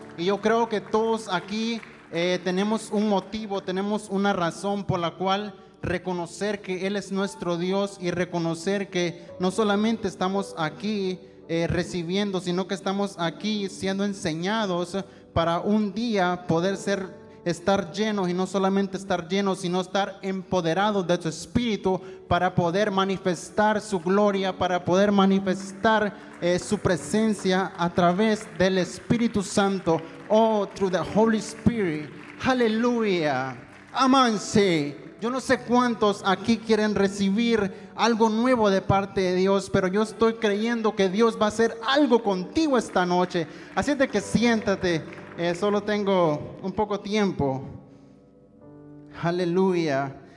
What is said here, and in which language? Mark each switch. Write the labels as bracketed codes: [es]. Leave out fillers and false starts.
[es] Y yo creo que todos aquí tenemos un motivo, tenemos una razón por la cual reconocer que Él es nuestro Dios, y reconocer que no solamente estamos aquí recibiendo, sino que estamos aquí siendo enseñados para un día poder estar llenos, y no solamente estar llenos, sino estar empoderados de su Espíritu para poder manifestar su gloria, para poder manifestar su presencia a través del Espíritu Santo. [en] Oh, through the Holy Spirit. [es] Aleluya. Amánse. Yo no sé cuántos aquí quieren recibir algo nuevo de parte de Dios, pero yo estoy creyendo que Dios va a hacer algo contigo esta noche. Así es de que siéntate. Solo tengo un poco tiempo. Aleluya.